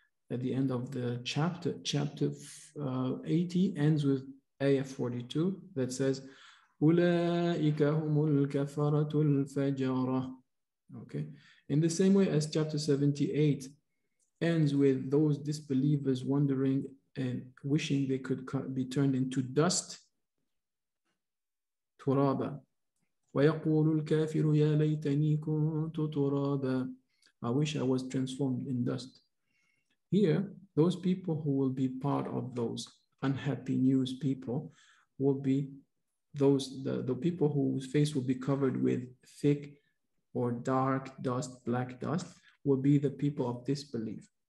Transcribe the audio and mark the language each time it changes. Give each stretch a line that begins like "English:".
English: At the end of the chapter, chapter 80 ends with ayah 42 that says,
Arabic: أُولَٰئِكَ هُمُ الْكَفَرَةُ الْفَجَرَةُ.
English: Okay. In the same way as chapter 78 ends with those disbelievers wondering and wishing they could be turned into dust, تُرَابًا.
Arabic: وَيَقُولُ الْكَافِرُ يَا لَيْتَنِي كُنْتُ تُرَابًا.
English: I wish I was transformed in dust. Here, those people who will be part of those unhappy news people will be those, the people whose face will be covered with thick or dark dust, black dust, will be the people of disbelief.